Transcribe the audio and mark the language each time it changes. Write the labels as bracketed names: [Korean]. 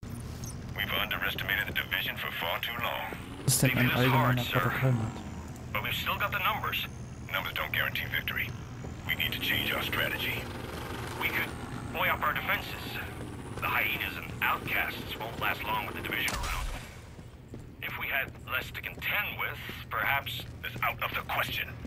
[English] We've underestimated the division for far too long. [German] Was ist denn ein allgemeiner Protokollmat? [English] But we've still got the numbers. Numbers don't guarantee victory. We need to change our strategy. We could buoy up our defenses. The hyenas and outcasts won't last long with the division around. If we had less to contend with, perhaps this out of the question.